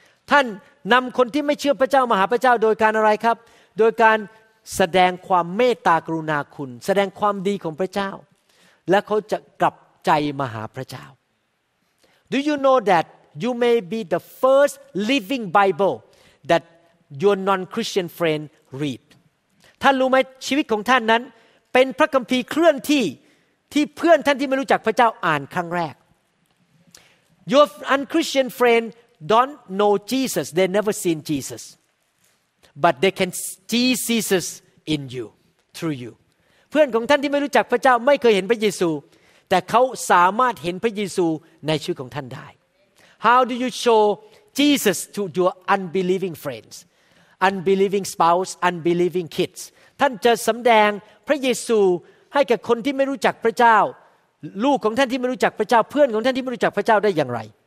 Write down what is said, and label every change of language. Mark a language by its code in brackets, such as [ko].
[th] ท่านนำคนที่ไม่เชื่อพระเจ้ามาหาพระเจ้าโดยการอะไรครับโดยการแสดงความเมตตากรุณาคุณแสดงความดีของพระเจ้าและเขาจะกลับใจมาหาพระเจ้า [en] Do you know that you may be the first living Bible that your non-Christian friend read? [th] ท่านรู้ไหมชีวิตของท่านนั้นเป็นพระคัมภีร์เคลื่อนที่ที่เพื่อนท่านที่ไม่รู้จักพระเจ้าอ่านครั้งแรก [en] Your un-Christian friend don't know Jesus. They never seen Jesus. But they can see Jesus in you, through you. [th] เพื่อนของท่านที่ไม่รู้จักพระเจ้าไม่เคยเห็นพระเยซูแต่เขาสามารถเห็นพระเยซูในชีวิตของท่านได้ [en] How do you show Jesus to your unbelieving friends, unbelieving spouse, unbelieving kids? [th] ท่านจะสำแดงพระเยซูให้กับคนที่ไม่รู้จักพระเจ้าลูกของท่านที่ไม่รู้จักพระเจ้าเพื่อนของท่านที่ไม่รู้จักพระเจ้าได้อย่างไร